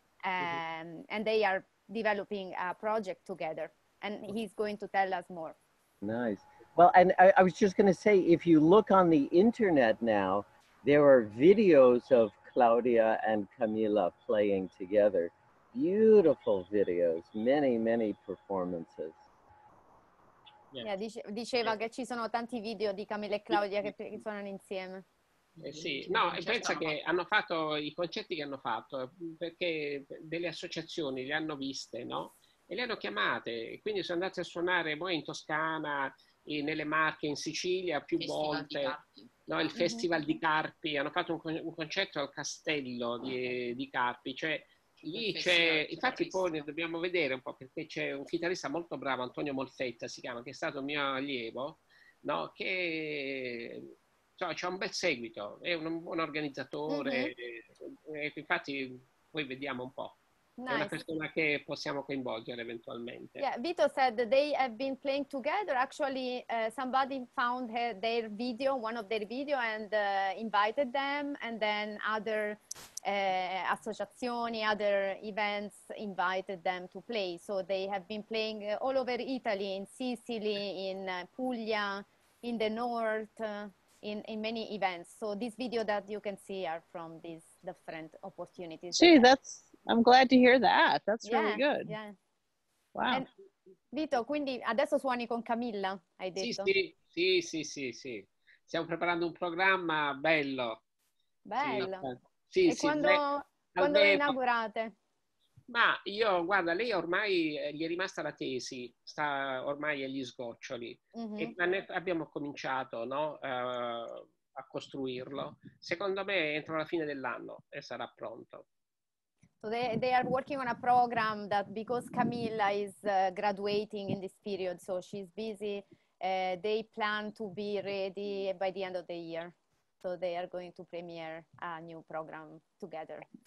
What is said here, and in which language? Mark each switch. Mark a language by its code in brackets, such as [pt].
[en] And they are developing a project together, and he's going to tell us more. Nice. Well, and I was just going to say, if you look on the internet now, there are videos of Claudia and Camilla playing together. Beautiful videos, many, many performances. [it] Yeah, yeah, diceva yeah. Che ci sono tanti video di Camilla e Claudia che suonano insieme. Sì, no, pensa che hanno fatto i concerti che hanno fatto perché delle associazioni le hanno viste, no? E le hanno chiamate, quindi sono andate a suonare poi in Toscana, e nelle Marche, in Sicilia più Festival volte, no? Il Festival di Carpi, hanno fatto un concerto al Castello di Carpi, cioè lì c'è, infatti poi ne dobbiamo vedere un po', perché c'è un chitarrista molto bravo, Antonio Molfetta si chiama, che è stato mio allievo, no? Che... So, c'è un bel seguito, è un buon organizzatore, mm-hmm. Infatti poi vediamo un po', nice. È una persona che possiamo coinvolgere eventualmente. [en] Yeah, Vito said they have been playing together, actually somebody found their video, one of their video, and invited them, and then other associazioni, other events invited them to play, so they have been playing all over Italy, in Sicily, in Puglia, in the north, in many events. So this video that you can see are from these different opportunities. See, that's, I'm glad to hear that. That's yeah, really good. Yeah. Wow. [it] And Vito, quindi adesso suoni con Camilla, hai detto? Sì. Stiamo preparando un programma bello. Bello. Sì, e sì, quando lo inaugurate? Ma io, guarda, lei ormai gli è rimasta la tesi, sta ormai agli sgoccioli, mm-hmm. E abbiamo cominciato, no, a costruirlo. Secondo me entro la fine dell'anno e sarà pronto. [en] So they are working on a program that, because Camilla is graduating in this period, so she's busy, they plan to be ready by the end of the year. So they are going to premiere a new program together.